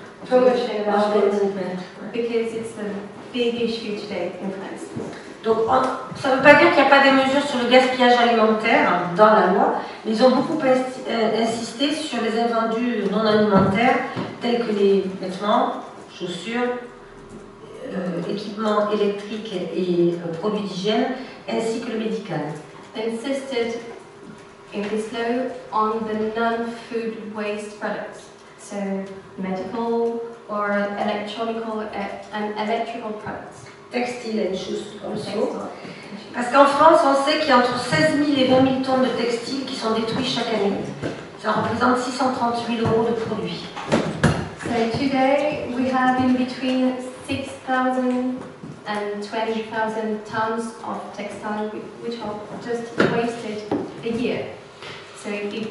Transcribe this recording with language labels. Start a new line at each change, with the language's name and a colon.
English: Because it's a big issue today in France.
French: Donc, ça ne veut pas dire qu'il n'y a pas des mesures sur le gaspillage alimentaire dans la loi, mais ils ont beaucoup insisté sur les invendus non alimentaires, tels que les vêtements, chaussures, équipements électriques et produits d'hygiène, ainsi que le médical.
English: They insisted in this law on the non-food waste products, so medical or electronical and electrical products. Textile and shoes also.
French: Parce qu'en France, on sait qu'il y a entre 16 000 et 20 000 tonnes de textiles qui sont détruits chaque année. Ça représente 638 euros de produits.
English: So today, we have in between 6,000 and 20,000 tons of textiles which are just wasted a year. So it